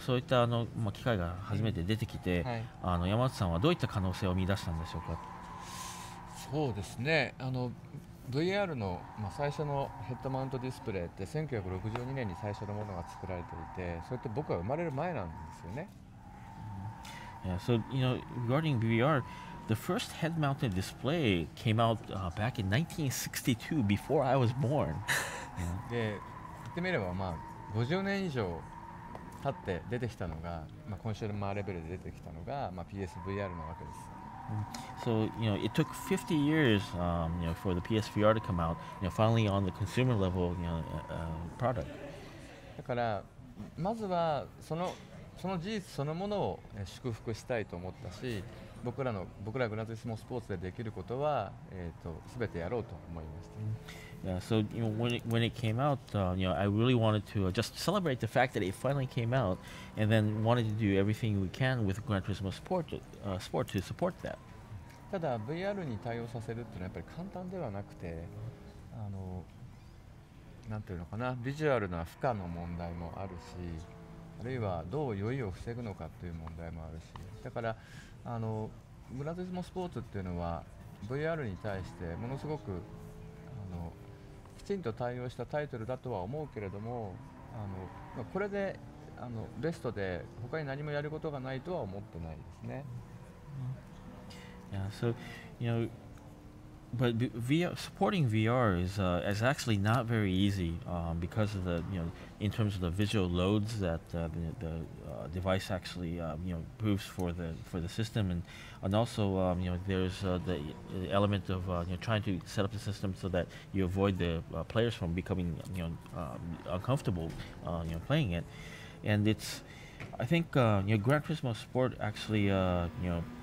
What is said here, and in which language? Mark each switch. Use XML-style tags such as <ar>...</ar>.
<ja>そういった機械が初めて出てきて、はい、山内さんはどういった可能性を見出したんでしょうか。そうですね、VR の、まあ、最初のヘッドマウントディスプレイって1962年に最初のものが作られていて、それって僕は生まれる前なんですよね。</ja> <en>Yeah, so, you know, regarding VR,The first head-mounted display came out back in 1962, before I was born.</en> <ja>で、言ってみれば、まあ、50年以上経って出てきたのが、まあ、コンシューマーレベルで出てきたのが、まあ、PSVR なわけです。</ja> <en>So, you know, it took 50 years, you know, for the PSVR to come out, you know, finally on the consumer level, you know, product.</en> <ja>だから、まずはその事実そのものを祝福したいと思ったし、僕らグランツーリスモスポーツでできることは、全てやろうと思いました。</ja> <en>Yeah, so you know, when it came out, you know, I really wanted to just celebrate the fact that it finally came out, and then wanted to do everything we can with Gran Turismo Sport to support that.</en> <ja>ただ VR に対応させるっていうのはやっぱり簡単ではなくて、なんていうのかな、ビジュアルな負荷の問題もあるし、あるいはどう酔いを防ぐのかという問題もあるし、だから。グランツーリスモスポーツっていうのは VR に対してものすごくきちんと対応したタイトルだとは思うけれども、これでベストで他に何もやることがないとは思ってないですね。</ja> <en>Yeah, so, you know, but supporting VR is actually not very easy, because of the, you know, in terms of the visual loads that the device actually you know, proves for the system, and also you know, there's the element of you know, trying to set up the system so that you avoid the players from becoming, you know, uncomfortable you know, playing it, and it's, I think, you know, Gran Turismo Sport actually you know,</en>